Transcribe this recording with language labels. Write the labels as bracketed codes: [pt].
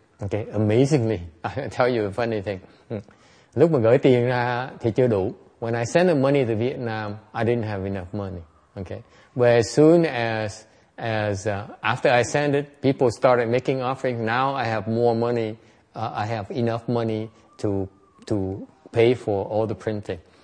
[en] Okay, amazingly, I tell you a funny thing. [vi] Lúc mà gửi tiền ra thì chưa đủ. [en] When I send the money to Vietnam, I didn't have enough money. Okay. But as soon as after I send it, people started making offerings. Now I have more money. I have enough money to pay for all the printing.